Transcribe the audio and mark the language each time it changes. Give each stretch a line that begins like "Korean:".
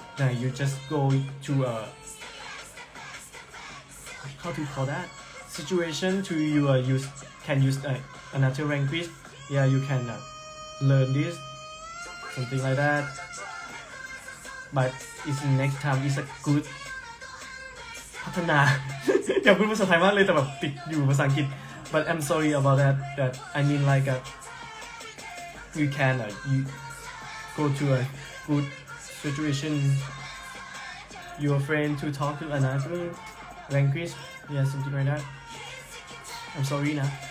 English: And you just go to a how to call that situation to you. Use another language. Yeah, you can learn this something like that. But it's the next time. It's a good.
Thai: พัฒนาอย่าพูดภาษาไทยมากเลยแต่แบบติดอยู่ภาษาอังกฤษ
English: but I'm sorry about that that I mean like you can you go to a good situation your friend to talk to another language yeah something like that I'm sorry นะ